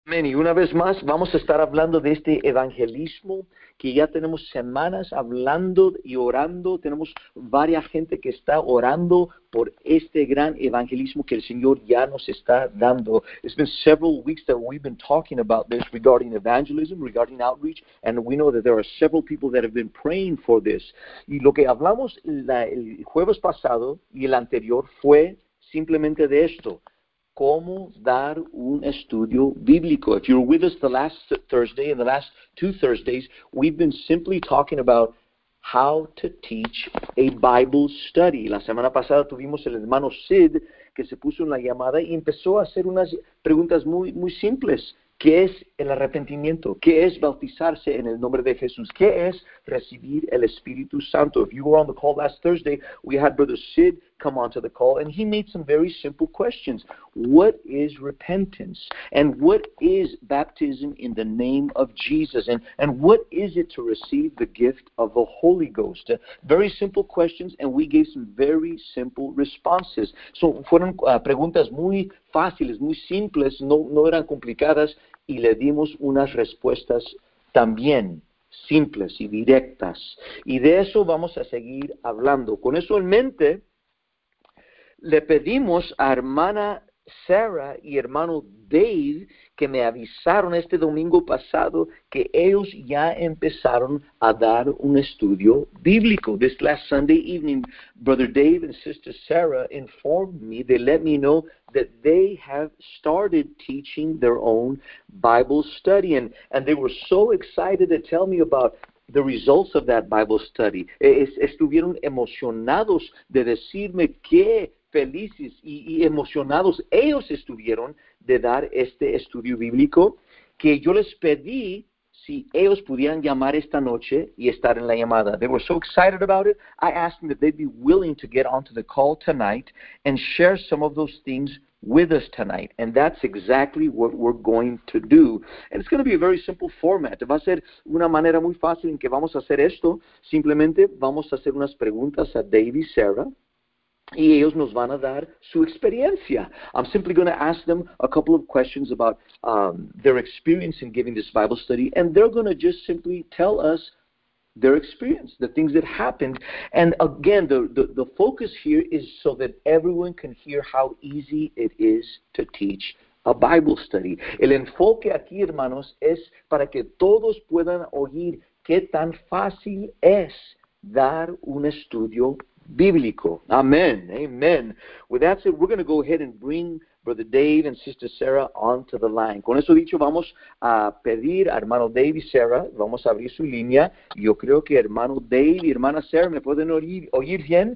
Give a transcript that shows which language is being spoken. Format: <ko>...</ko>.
<es>Amén. Y una vez más vamos a estar hablando de este evangelismo que ya tenemos semanas hablando y orando. Tenemos varias gente que está orando por este gran evangelismo que el Señor ya nos está dando.</es> <en>It's been several weeks that we've been talking about this regarding evangelism, regarding outreach, and we know that there are several people that have been praying for this.</en> <es>Y lo que hablamos el jueves pasado y el anterior fue simplemente de esto. ¿Cómo dar un estudio bíblico?</es> <en>If you were with us the last Thursday and the last two Thursdays, we've been simply talking about how to teach a Bible study.</en> <es>La semana pasada tuvimos el hermano Sid que se puso en la llamada y empezó a hacer unas preguntas muy, muy simples. ¿Qué es el arrepentimiento? ¿Qué es bautizarse en el nombre de Jesús? ¿Qué es recibir el Espíritu Santo?</es> <en>If you were on the call last Thursday, we had Brother Sid come onto the call, and he made some very simple questions. What is repentance? And what is baptism in the name of Jesus? And what is it to receive the gift of the Holy Ghost? Very simple questions, and we gave some very simple responses.</en> <es>So, fueron preguntas muy fáciles, muy simples, no eran complicadas, y le dimos unas respuestas también simples y directas. Y de eso vamos a seguir hablando. Con eso en mente, le pedimos a hermana Sarah y hermano Dave, que me avisaron este domingo pasado, que ellos ya empezaron a dar un estudio bíblico.</es> <en>This last Sunday evening, Brother Dave and Sister Sarah informed me, they let me know that they have started teaching their own Bible study. And they were so excited to tell me about the results of that Bible study.</en> <es>Estuvieron emocionados de decirme que felices y emocionados ellos estuvieron de dar este estudio bíblico, que yo les pedí si ellos pudieran llamar esta noche y estar en la llamada.</es> <en>They were so excited about it, I asked them that they'd be willing to get onto the call tonight and share some of those things with us tonight. And that's exactly what we're going to do. And it's going to be a very simple format.</en> <es>Va a ser una manera muy fácil en que vamos a hacer esto. Simplemente vamos a hacer unas preguntas a Dave y Sarah. Y ellos nos van a dar su experiencia.</es> <en>I'm simply going to ask them a couple of questions about their experience in giving this Bible study, and they're going to just simply tell us their experience, the things that happened. And again, the focus here is so that everyone can hear how easy it is to teach a Bible study.</en> <es>El enfoque aquí, hermanos, es para que todos puedan oír qué tan fácil es dar un estudio bíblico.</es> <en>Amen. Amen. With that said, we're going to go ahead and bring Brother Dave and Sister Sarah onto the line.</en> <es>Con eso dicho, vamos a pedir a hermano Dave y Sarah, vamos a abrir su línea. Yo creo que hermano Dave y hermana Sarah, ¿me pueden oír bien?</es>